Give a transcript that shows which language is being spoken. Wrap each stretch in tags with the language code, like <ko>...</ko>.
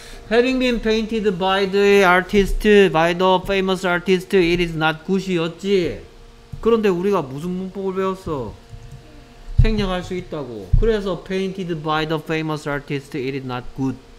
<en>Having been painted by the artist, by the famous artist, it is not good이었지.</en> <ko>그런데 우리가 무슨 문법을 배웠어? 생략할 수 있다고.</ko> <en>그래서 painted by the famous artist, it is not good.</en>